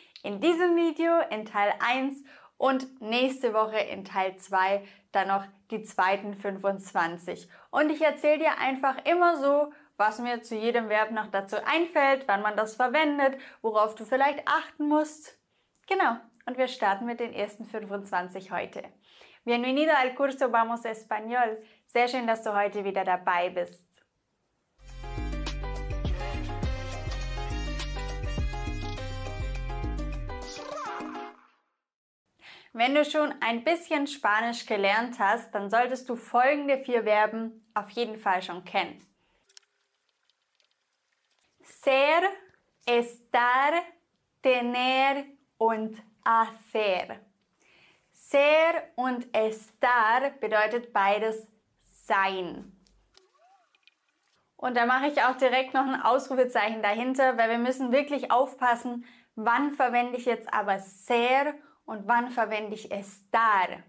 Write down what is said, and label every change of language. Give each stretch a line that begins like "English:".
German: In diesem Video in Teil 1 und nächste Woche in Teil 2 dann noch die zweiten 25. Und ich erzähle dir einfach immer so, was mir zu jedem Verb noch dazu einfällt, wann man das verwendet, worauf du vielleicht achten musst. Genau, und wir starten mit den ersten 25 heute.
Spanish: Bienvenido al curso Vamos Español.
German: Sehr schön, dass du heute wieder dabei bist. Wenn du schon ein bisschen Spanisch gelernt hast, dann solltest du folgende vier Verben auf jeden Fall schon kennen. Ser, estar, tener und hacer. Ser und estar bedeutet beides sein. Und da mache ich auch direkt noch ein Ausrufezeichen dahinter, weil wir müssen wirklich aufpassen, wann verwende ich jetzt aber ser und wann verwende ich estar.